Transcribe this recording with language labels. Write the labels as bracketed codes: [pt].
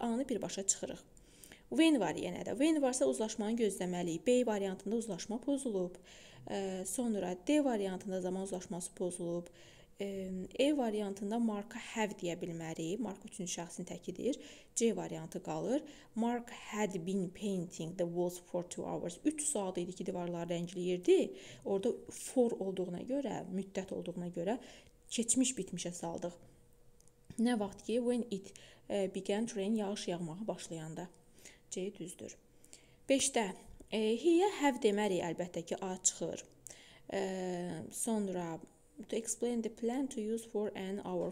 [az] A-nı birbaşa çıxırıq. When var yenə də. When varsa uzlaşmanı gözləməliyik. B variantında uzlaşma pozulub. Sonra D variantında zaman uzlaşması pozulub. E variantında Mark'a have deyə bilməri. Mark üçüncü şəxsin təkidir. C variantı qalır. [en] Mark had been painting the walls for 2 hours. [az] 3 saat idi ki divarları rəngləyirdi. Orada for olduğuna görə, müddət olduğuna görə keçmiş bitmişə saldıq. Nə vaxt ki [en] when it began to rain, [az] yağış yağmağa başlayanda. C düzdür. 5-də here have deməri əlbəttə ki A çıxır. Sonra [en] to explain the plan to use for an hour.